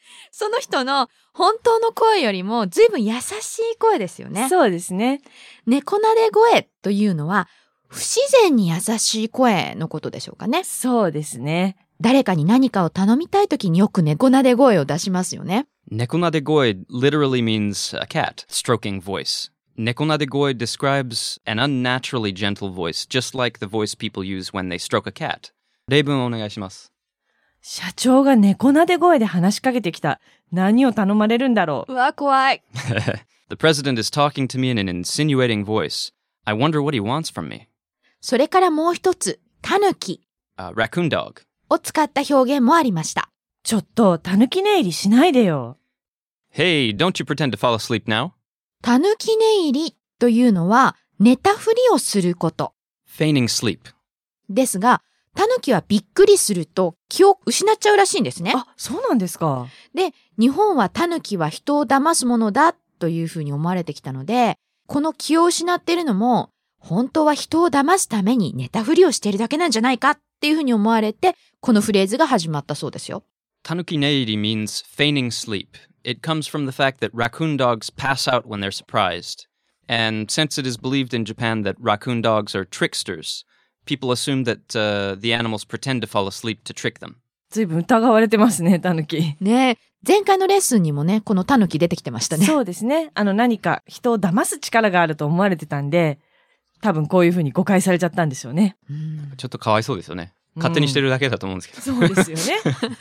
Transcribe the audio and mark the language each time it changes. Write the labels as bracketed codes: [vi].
[ja] その人の本当の声よりも随分優しい声ですよね。そうですね。猫なで声というのは、不自然に優しい声のことでしょうかね。そうですね。誰かに何かを頼みたいときによく猫なで声を出しますよね。 [en] 猫なで声 literally means a cat stroking voice. 猫なで声 describes an unnaturally gentle voice, just like the voice people use when they stroke a cat. [ja] 例文をお願いします。社長が猫なで声で話しかけてきた。何を頼まれるんだろう。うわ、怖い。 [en] The president is talking to me in an insinuating voice. I wonder what he wants from me. [ja] それからもう一つ、タヌキ。 [en] Raccoon dog。 [ja] を使った表現もありました。ちょっと、タヌキ寝入りしないでよ。 [en] Hey, don't you pretend to fall asleep now? [ja] タヌキ寝入りというのは、寝たふりをすること。 [en] Feigning sleep。 [ja] ですが、タヌキはびっくりすると気を失っちゃうらしいんですね。あ、そうなんですか。で、日本はタヌキは人を騙すものだというふうに思われてきたので、この気を失ってるのも、本当は人を騙すために寝たふりをしているだけなんじゃないかっていうふうに思われて、このフレーズが始まったそうですよ。 [en] タヌキ寝入り means feigning sleep. It comes from the fact that raccoon dogs pass out when they're surprised. And since it is believed in Japan that raccoon dogs are tricksters,People assume that the animals pretend to fall asleep to trick them. [ja] ずいぶん疑われてますね、タヌキ。ね、前回のレッスンにもね、このタヌキ出てきてましたね。そうですね。何か人を騙す力があると思われてたんで、多分こういうふうに誤解されちゃったんでしょうね。ちょっとかわいそうですよね。勝手にしてるだけだと思うんですけど。そうですよね。